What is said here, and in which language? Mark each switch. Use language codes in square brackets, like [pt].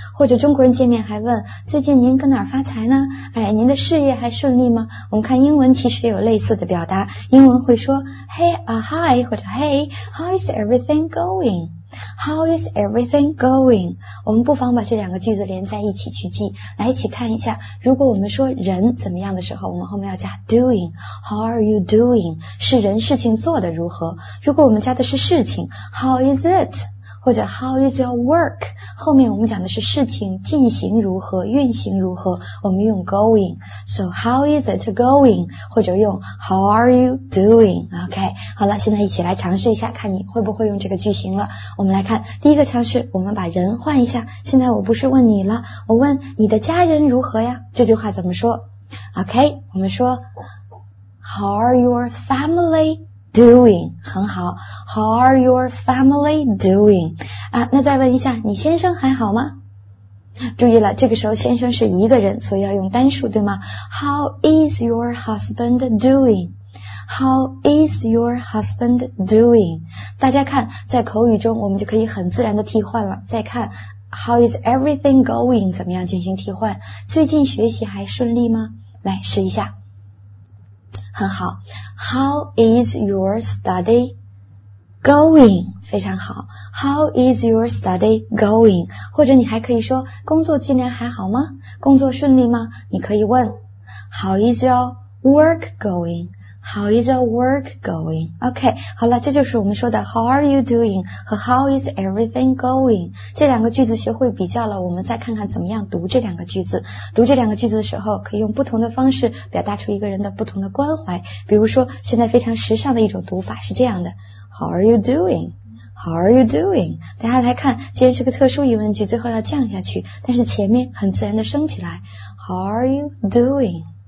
[zh] 或者中国人见面还问，最近您跟哪儿发财呢？哎，您的事业还顺利吗？我们看英文其实也有类似的表达。英文会说 [en] Hey, hi, 或者 Hey,How is everything going? How is everything going? [zh] 我们不妨把这两个句子连在一起去记，来一起看一下。如果我们说人怎么样的时候，我们后面要加 doing. [en] How are you doing? [zh] 是人事情做得如何？如果我们加的是事情 ， [en] How is it? [zh] 或者 [en] How is your work? [zh] 后面我们讲的是事情进行如何，运行如何，我们用 going. [en] So how is it going? 或者用 How are you doing? [zh] OK, 好了，现在一起来尝试一下，看你会不会用这个句型了。我们来看第一个尝试，我们把人换一下。现在我不是问你了，我问你的家人如何呀？这句话怎么说 ？OK, 我们说 [en] How are your family? Doing, [zh] 很好。 [en] How are your family doing? [zh] 啊，那再问一下，你先生还好吗？注意了，这个时候先生是一个人，所以要用单数，对吗？ [en] How is your husband doing? How is your husband doing? [zh] 大家看，在口语中我们就可以很自然地替换了。再看 [en] ,How is everything going? [zh] 怎么样进行替换？最近学习还顺利吗？来试一下。很好 [en] ,How is your study going? [zh] 非常好 [en] ,How is your study going? [zh] 或者你还可以说工作今年还好吗？工作顺利吗？你可以问 [en] ,How is your work going? How is your work going? OK, [zh] 好了，这就是我们说的 [en] How are you doing? [zh] 和 [en] How is everything going? [zh] 这两个句子学会比较了，我们再看看怎么样读这两个句子。读这两个句子的时候，可以用不同的方式表达出一个人的不同的关怀。比如说，现在非常时尚的一种读法是这样的 [en] How are you doing? How are you doing? [zh] 大家来看，既然是个特殊疑问句，最后要降下去，但是前面很自然的升起来 [en] How are you doing?